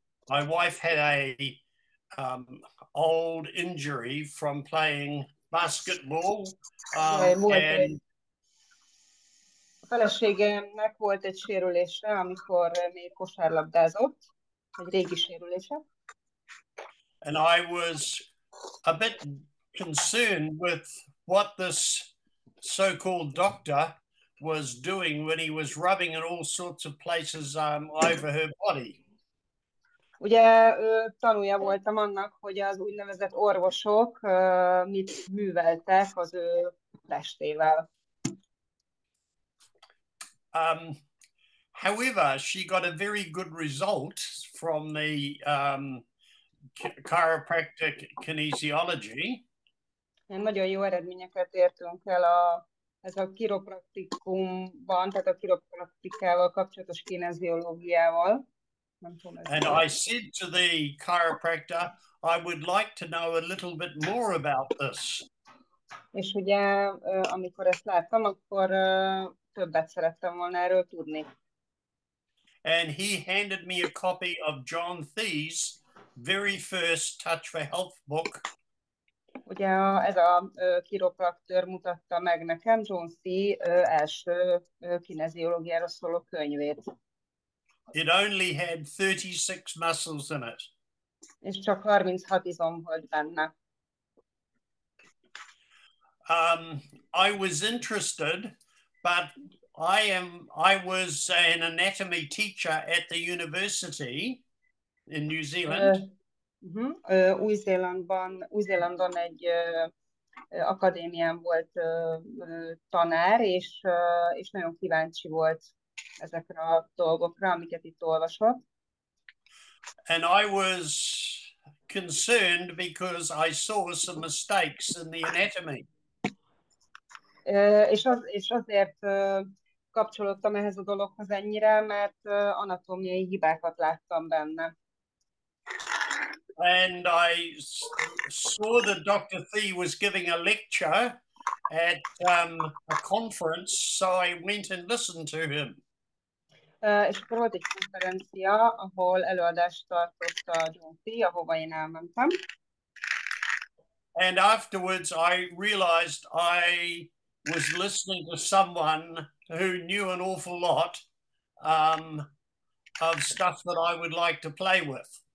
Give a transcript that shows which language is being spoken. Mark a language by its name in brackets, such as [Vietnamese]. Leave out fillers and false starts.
[English] My wife had a old injury from playing basketball. [Hungarian] A feleségemnek volt egy sérülése, amikor még kosárlabdázott, egy régi sérülése. [English] And I was a bit concerned with what this so-called doctor was doing when he was rubbing in all sorts of places over her body. [Hungarian] Ugye tanulja voltam annak, hogy az úgynevezett orvosok mit műveltek az ő testével. [English] However, she got a very good result from the chiropractic kinesiology. [Hungarian] Én nagyon jó eredményeket értünk el ez a kiropraktikumban, tehát a kiropraktikával kapcsolatos kineziológiával. [English] And I said to the chiropractor, I would like to know a little bit more about this. [Hungarian] És ugye, amikor ezt láttam, akkor többet szerettem volna erről tudni. [English] And he handed me a copy of John Thee's very first Touch for Health book. [Hungarian] Ugye ez a kiropraktor mutatta meg nekem John Thee első kineziológiára szóló könyvét. [English] It only had 36 muscles in it. [Hungarian] És csak 36 izom volt benne. [English] I was interested, but I was an anatomy teacher at the university in New Zealand. [Hungarian] Új-Zélandon egy akadémián volt tanár, és nagyon kíváncsi volt ezekre a dolgokra, amiket itt olvasott. [English] And I was concerned because I saw some mistakes in the anatomy. [Hungarian] És azért kapcsolódtam ehhez a dologhoz ennyire, mert anatómiai hibákat láttam benne. [English] And I saw that Dr. Thee was giving a lecture at a conference, so I went and listened to him. [Hungarian] És akkor volt egy konferencia, ahol előadást tartott a John Thee, ahova én elmentem. [English] And afterwards I realized I was listening to someone who knew an awful lot of stuff that I would like to play with.